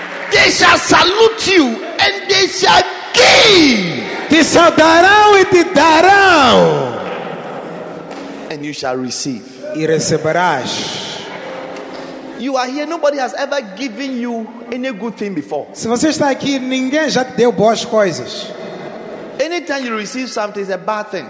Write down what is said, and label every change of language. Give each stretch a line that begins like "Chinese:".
English: They shall salute you and they shall give.
Portuguese: Te saudarão e te darão.
English: And you shall receive.
Portuguese: E receberás.
English: You are here. Nobody has ever given you any good thing before.
Portuguese: Se você está aqui, ninguém já te deu boas coisas.
English: Anytime you receive something, it's a bad thing.